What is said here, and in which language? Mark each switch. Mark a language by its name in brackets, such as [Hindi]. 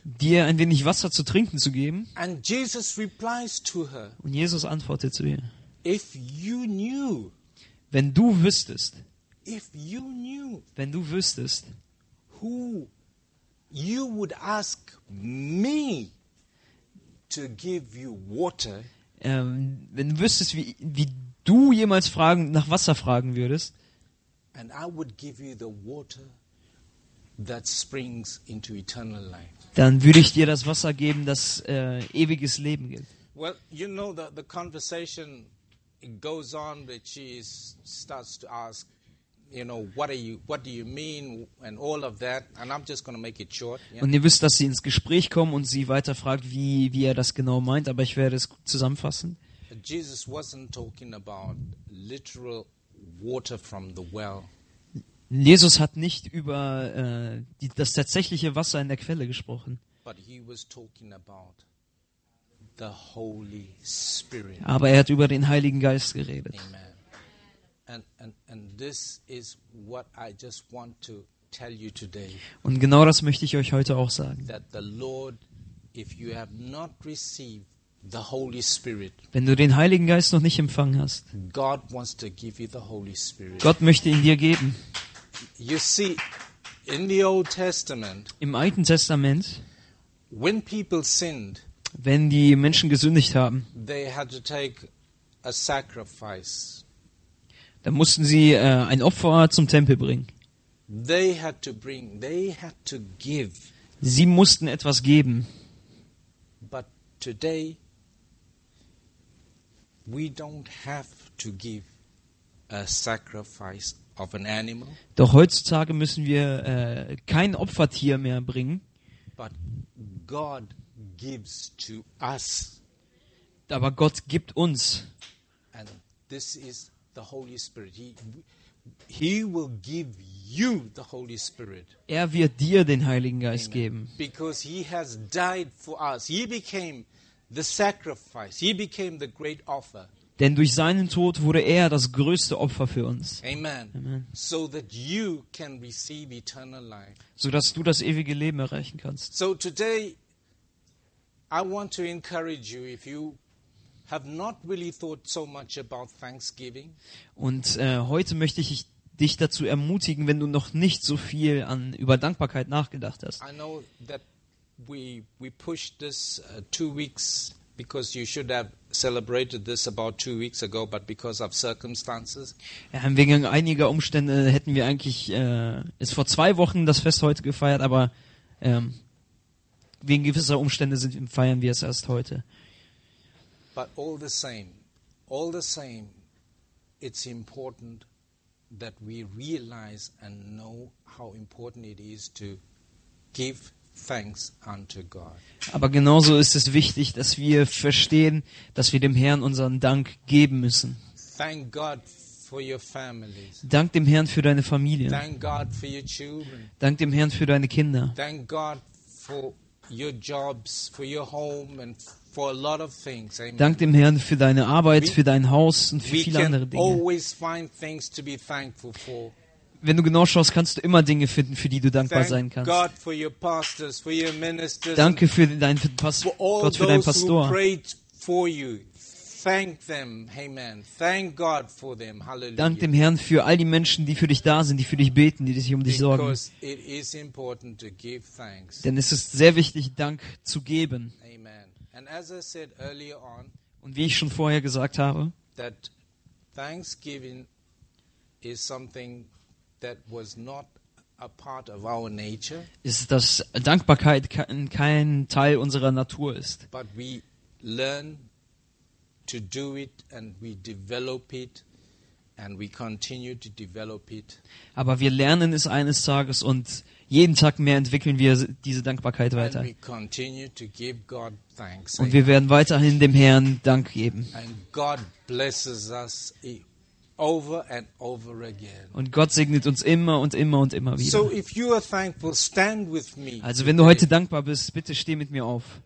[German] dir ein wenig Wasser zu trinken zu geben. [English] And Jesus replies to her, [German] und Jesus antwortet zu ihr, [English] if you knew, [German] wenn du wüsstest, [English] if you knew, [German] wenn du wüsstest, [English] who you would ask me to give you water, [German] wenn du wüsstest, wie du jemals nach Wasser fragen würdest, [English] and I would give you the water that springs into eternal life, [German] dann würde ich dir das Wasser geben, das ewiges Leben gibt. [English] Well, you know that the conversation it goes on, but she starts to ask, you know, what do you mean and all of that, and I'm just going to make it short, yeah? [German] Und ihr wisst, dass sie ins Gespräch kommen und sie weiter fragt, wie er das genau meint, aber ich werde es zusammenfassen. [English] Jesus wasn't talking about literal water from the well. [German] Jesus hat nicht über das tatsächliche Wasser in der Quelle gesprochen. [English] But he was talking about the Holy Spirit. [German] Aber er hat über den Heiligen Geist geredet. [English] Amen. And this is what I just want to tell you today. [German] Und genau das möchte ich euch heute auch sagen. [English] That the Lord, if you have not received the Holy Spirit, [German] wenn du den Heiligen Geist noch nicht empfangen hast, [English] God wants to give you the Holy Spirit. [German] Gott möchte ihn dir geben. [English] You see, in the Old Testament, [German] im Alten Testament, [English] when people sinned, [German] wenn die Menschen gesündigt haben, [English] they had to take a sacrifice. [German] Da mussten sie ein Opfer zum Tempel bringen. [English] They had to bring, they had to give. [German] Sie mussten etwas geben. [English] But today we don't have to give a sacrifice of an animal. [German] Doch heutzutage müssen wir kein Opfertier mehr bringen. [English] But God gives to us. [German] Aber Gott gibt uns. [English] And this is the Holy Spirit. He will give you the Holy Spirit. [German] Er wird dir den Heiligen Geist Amen. Geben. [English] Because he has died for us. He became the sacrifice. He became the great offer. [German] Denn durch seinen Tod wurde er das größte Opfer für uns. [English] Amen. Amen. So that you can receive eternal life. [German] So dass du das ewige Leben erreichen kannst. [English] So today I want to encourage you, if you have not really thought so much about thanksgiving. [German] Und heute möchte ich dich dazu ermutigen, wenn du noch nicht so viel an über Dankbarkeit nachgedacht hast. [English] I know that we pushed this 2 weeks because you should have celebrated this about 2 weeks ago, but because of circumstances. [German] Ja, wegen einiger Umstände hätten wir eigentlich es vor 2 Wochen das Fest heute gefeiert, aber wegen gewisser Umstände feiern wir es erst heute. [English] But all the same, it's important that we realize and know how important it is to give thanks unto God. [German] Aber genauso ist es wichtig, dass wir verstehen, dass wir dem Herrn unseren Dank geben müssen. [English] Thank God for your families. [German] Dank dem Herrn für deine Familie. [English] Thank God for your children. [German] Dank dem Herrn für deine Kinder. [English] Thank God for your jobs, for your home and for a lot of things. Amen. [German] Dank dem Herrn für deine Arbeit, für dein Haus und für viele andere Dinge. [English] We can always find things to be thankful for. [German] Wenn du genau schaust, kannst du immer Dinge finden, für die du dankbar [English] thank [German] sein kannst. [English] God for your pastors, for your ministers. [German] Danke für deinen Pastor, Gott für deinen Pastor. [English] Who prayed for you. Thank them. Amen. Thank God for them. Hallelujah. [German] Dank dem Herrn für all die Menschen, die für dich da sind, die für dich beten, die sich um dich sorgen. [English] Because it is important to give thanks. [German] Denn es ist sehr wichtig, Dank zu geben. [English] Amen. And as I said earlier on, [German] und wie ich schon vorher gesagt habe, [English] that thanksgiving is something that was not a part of our nature. [German] Ist, dass Dankbarkeit kein Teil unserer Natur ist. [English] But we learn to do it and we develop it and we continue to develop it. [German] Aber wir lernen es eines Tages und jeden Tag mehr entwickeln wir diese Dankbarkeit weiter. [English] And we continue to give God thanks. [German] Und wir werden weiterhin dem Herrn Dank geben. [English] And God blesses us over and over again. [German] Und Gott segnet uns immer und immer und immer wieder. [English] So if you are thankful, stand with me. [German] Also wenn du heute dankbar bist, bitte steh mit mir auf.